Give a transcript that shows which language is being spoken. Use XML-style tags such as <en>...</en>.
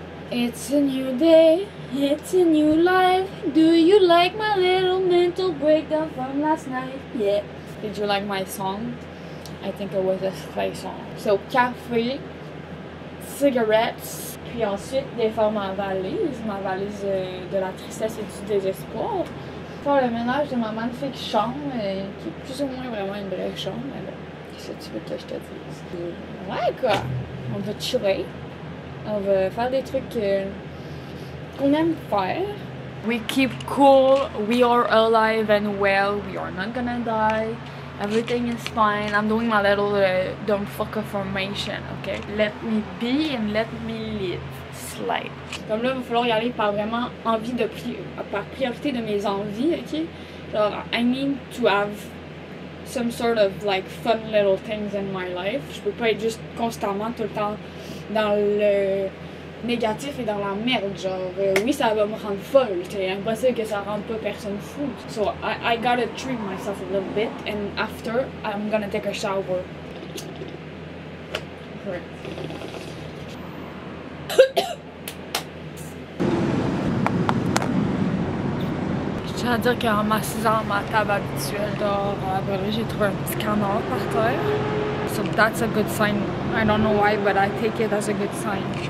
<en>It's a new day, it's a new life. Do you like my little mental breakdown from last night? Yeah. Did you like my song? I think it was a spy song.</en> <fr>So, café, cigarettes, puis ensuite, défaire ma valise de la tristesse et du désespoir. Faire le ménage de ma magnifique chambre, qui est plus ou moins vraiment une vraie chambre, mais bon, qu'est-ce que tu veux que je te dise? Ouais, quoi! On va tirer. On va faire des trucs qu'on aime faire.</fr> <en>We keep cool, we are alive and well, we are not gonna die. Everything is fine, I'm doing my little don't fuck affirmation, okay? Let me be and let me live. Slide.</en> <fr>Comme là, il va falloir y aller par vraiment envie de par priorité de mes envies, okay?</fr> <en>Genre, I need to have some sort of like fun little things in my life.</en> <fr>Je peux pas être juste constamment tout le temps dans le négatif et dans la merde, genre oui ça va me rendre folle, c'est impossible que ça rende pas personne fou.</fr> <en>So I gotta treat myself a little bit and after I'm gonna take a shower.</en> <fr>Ouais. Je tiens à dire qu'en m'assisant à ma table habituelle dehors à Abreu, j'ai trouvé un petit canard par terre.</fr> <en>So that's a good sign. I don't know why, but I take it as a good sign.</en>